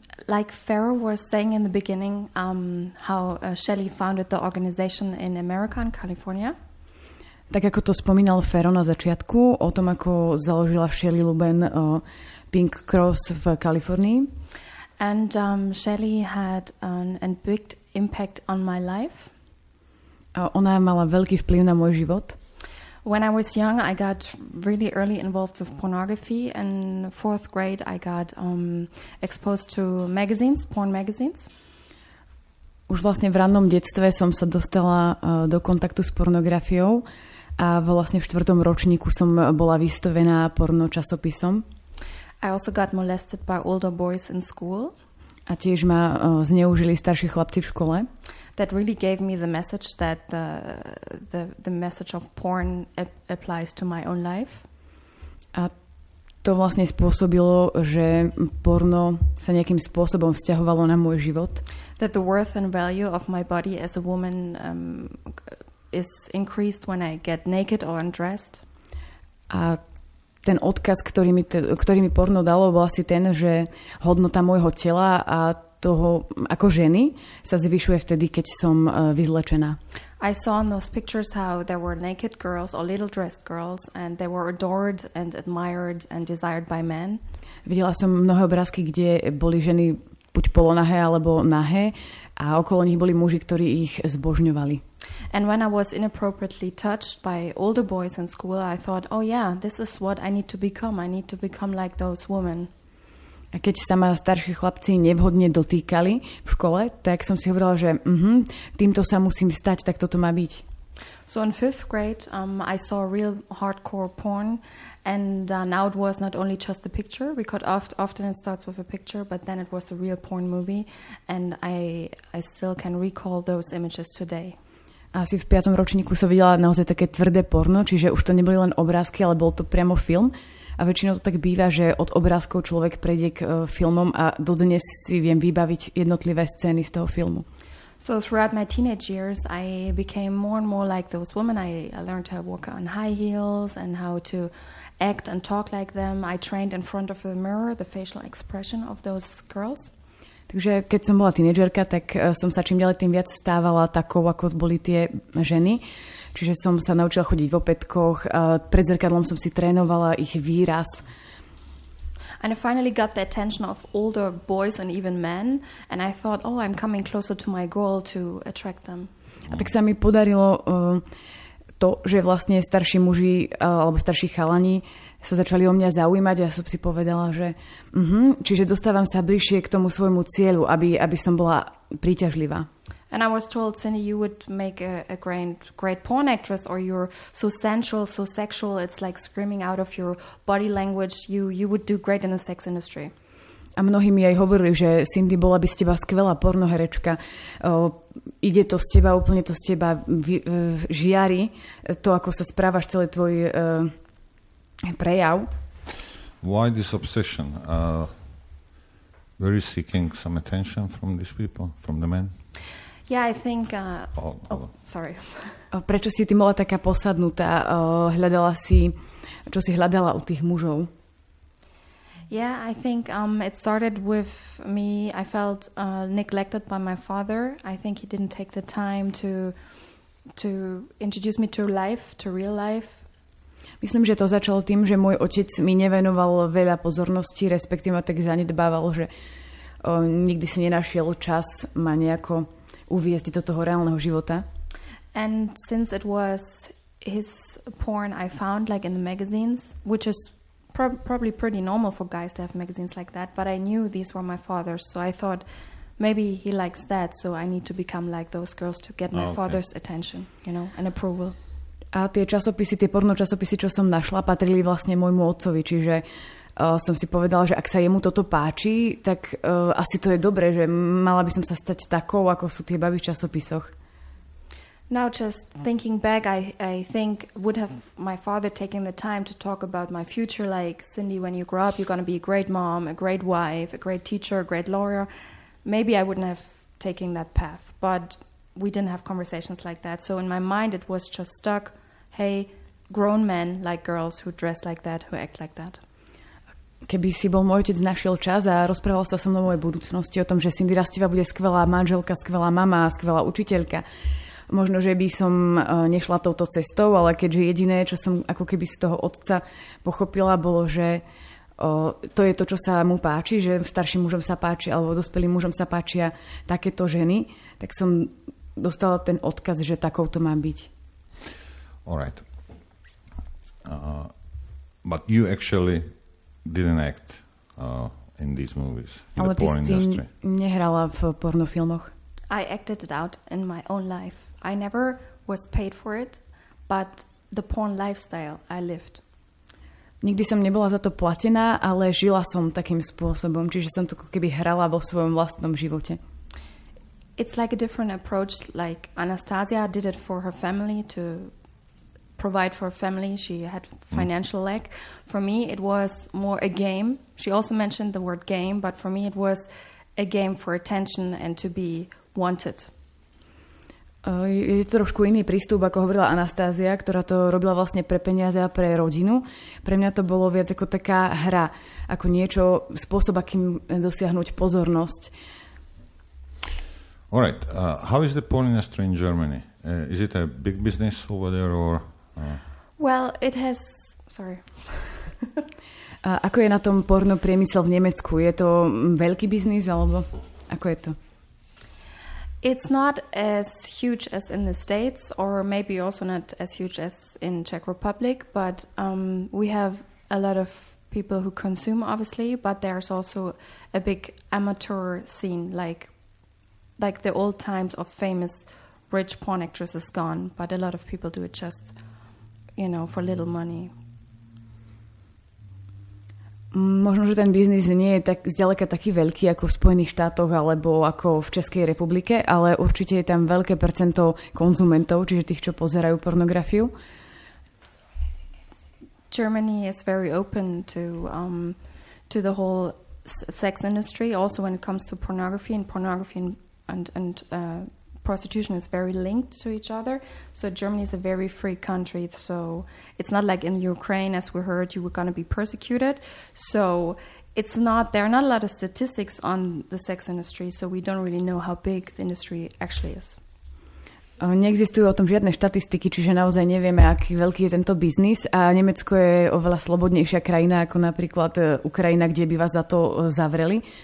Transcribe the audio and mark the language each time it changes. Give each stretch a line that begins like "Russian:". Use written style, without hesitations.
English: Like Farrah was saying in the beginning, how Shelley founded the organization in America and California.
Slovak: Tak ako to spomínal Farrah na začiatku, o tom, ako založila Shelley Lubin Pink Cross v Kalifornii.
English: And Shelley had an big impact on my life.
Slovak: Ona mala veľký vplyv na môj život.
English: When I was young, I got really early involved with pornography. And fourth grade, I got exposed to magazines, porn magazines.
Slovak: Už vlastne v rannom detstve som sa dostala do kontaktu s pornografiou. A vlastne v štvrtom ročníku som bola vystavená porno časopisom.
English: I also got molested by older boys in school.
Slovak: A tiež ma zneužili starší chlapci v škole.
English: That really gave me the message that the message of porn applies to my own life.
Slovak: A to vlastne spôsobilo, že porno sa nejakým spôsobom vzťahovalo na môj život.
English: That the worth and value of my body as a woman is increased when I get naked or undressed.
Slovak: A ten odkaz, ktorý mi porno dalo, bol asi ten, že hodnota môjho tela a toho ako ženy sa zvyšuje vtedy, keď som vyzlečená.
English: I saw in those pictures how there were naked girls or little dressed girls and they were adored and admired and desired by men.
Slovak: Videla som mnohé obrázky, kde boli ženy buď polonahé alebo nahé a okolo nich boli muži, ktorí ich zbožňovali.
English: And when I was inappropriately touched by older boys in school, I thought, oh yeah, this is what I need to become. I need to become like those women.
Slovak: A keď sa ma starší chlapci nevhodne dotýkali v škole, tak som si hovorila, že týmto sa musím stať, tak toto má byť.
English: So in fifth grade, I saw real hardcore porn. And now it was not only just the picture, because often it starts with a picture, but then it was a real porn movie. And I still can recall those images today.
Slovak: Asi v piatom ročníku som videla naozaj také tvrdé porno, čiže už to neboli len obrázky, ale bol to priamo film. A väčšinou to tak býva, že od obrázkov človek prejde k filmom a dodnes si viem vybaviť jednotlivé scény z toho filmu.
English: So throughout my teenage years, I became more and more like those women. I learned how to walk on high heels and how to act and talk like them. I trained in front of the mirror, the facial expression of those girls.
Slovak: Takže keď som bola tínedžerka, tak som sa čím ďalej tým viac stávala takou, ako boli tie ženy. Čiže som sa naučila chodiť v opätkoch, pred zrkadlom som si trénovala ich výraz.
English: And I finally got the attention of older boys and even men, and I thought, oh, I'm coming closer to my goal to attract them.
Slovak: A tak sa mi podarilo to, že vlastne starší muži alebo starší chalani sa začali o mňa zaujímať a som si povedala, že čiže dostávam sa bližšie k tomu svojmu cieľu, aby som bola príťažlivá.
English: And I was told, Cindy, you would make a great porn actress, or you're so sensual, so sexual, it's like screaming out of your body language, you would do great in the sex industry.
Slovak: A mnohí mi aj hovorili, že Cindy, bola by z teba skvelá pornoherečka. Ide to z teba, úplne to z teba žiari, to, ako sa správaš, celý tvoj prejav.
English: Why this obsession? Were you seeking some attention from these people, from the men? Yeah, I think... Sorry.
Slovak: Prečo si ty bola taká posadnutá? Hľadala si... Čo si hľadala u tých mužov?
English: Yeah, I think it started with me. I felt neglected by my father. I think he didn't take the time to introduce me to life, to real life.
Slovak: Myslím, že to začalo tým, že môj otec mi nevenoval veľa pozornosti, respektíve ma tak zanedbával, že nikdy si nenašiel čas ma nejako uviesť do toho reálneho života.
English: And since it was his porn I found like in the magazines, which is probably pretty normal for guys to have magazines like that, but I knew these were my father's, so I thought maybe he likes that, so I need to become like those girls to get my father's attention, you know, and approval.
Slovak: A tie časopisy, tie porno časopisy, čo som našla, patrili vlastne môjmu otcovi, čiže som si povedala, že ak sa jemu toto páči, tak asi to je dobré, že mala by som sa stať takou, ako sú tie baby v časopisoch.
English: Now just thinking back, I think would have my father taking the time to talk about my future, like, Cindy, when you grow up, you're going to be a great mom, a great wife, a great teacher, a great lawyer. Maybe I wouldn't have taken that path, but we didn't have conversations like that. So in my mind, it was just stuck, hey, grown men like girls who dress like that, who act like that.
Slovak: Keby si bol môj otec, našiel čas a rozprával sa so mnou o mojej budúcnosti, o tom, že Cindy Rastiva bude skvelá manželka, skvelá mama, skvelá učiteľka. Možno, že by som nešla touto cestou, ale keďže jediné, čo som ako keby z toho otca pochopila, bolo, že to je to, čo sa mu páči, že starším mužom sa páči, alebo dospelým mužom sa páčia takéto ženy, tak som dostala ten odkaz, že takou to má byť.
English: All right. But you actually didn't act in these movies in
Slovak: ale
English: the porn industry.
Slovak: Ale ty si nehrala v pornofilmoch.
English: I acted it out in my own life. I never was paid for it, but the porn lifestyle I lived.
Slovak: Nikdy som nebola za to platená, ale žila som takým spôsobom, čiže som to ako keby hrala vo svojom vlastnom živote.
English: It's like a different approach, like Anastasia did it for her family to provide for a family, she had financial lack. For me it was more a game. She also mentioned the word game, but for me it was a game for attention and to be wanted.
Slovak: Je to trošku iný prístup, ako hovorila Anastázia, ktorá to robila vlastne pre peniaze a pre rodinu. Pre mňa to bolo viac ako taká hra, ako niečo, spôsob, akým dosiahnuť pozornosť.
English: All right. How is the porn industry in Germany? Is it a big business over there or? Well, it has. Sorry.
Slovak: Ako je na tom porno priemysel v Nemecku? Je to veľký biznis alebo ako je to?
English: It's not as huge as in the States, or maybe also not as huge as in Czech Republic, but we have a lot of people who consume, obviously, but there's also a big amateur scene, like the old times of famous rich porn actresses is gone, but a lot of people do it just, you know, for little money.
Slovak: Možno, že ten biznis nie je tak zďaleka taký veľký ako v Spojených štátoch alebo ako v Českej republike, ale určite je tam veľké percento konzumentov, čiže tých, čo pozerajú pornografiu.
English: Germany is very open to the whole sex industry, also when it comes to pornography, and pornography and prostitution is very linked to each other. So Germany is a very free country. So it's not like in Ukraine, as we heard, you were going to be persecuted. So it's not, there are not a lot of statistics on the sex industry. So we don't really know how big the industry actually is.
Slovak: Neexistujú o tom žiadne štatistiky, čiže naozaj nevieme, aký veľký je tento biznis. A Nemecko je oveľa slobodnejšia krajina ako napríklad Ukrajina, kde by vás za to zavreli.